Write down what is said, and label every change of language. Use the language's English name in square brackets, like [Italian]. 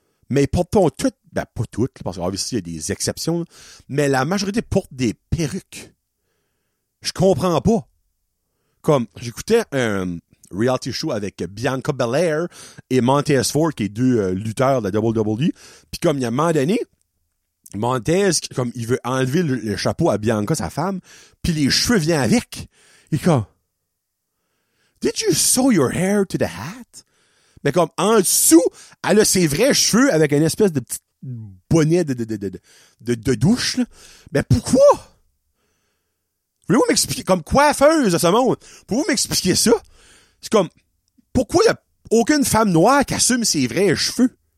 [French] Mais ils portent pas toutes, ben pas toutes, parce qu'il y a des exceptions, mais la majorité porte des perruques. Je comprends pas. Comme, j'écoutais un reality show avec Bianca Belair et Montez Ford, qui est deux lutteurs de la WWE, puis comme il y a un moment donné, Montez, comme il veut enlever le chapeau à Bianca, sa femme, puis les cheveux viennent avec. Et comme, [English] did you sew your hair to the hat? [French] Mais comme, en dessous, elle a ses vrais cheveux avec une espèce de petite bonnet de douche, là. Mais pourquoi? Voulez-vous m'expliquer, comme coiffeuse de ce monde, pouvez-vous m'expliquer ça? C'est comme, pourquoi il n'y a aucune femme noire qui assume ses vrais cheveux?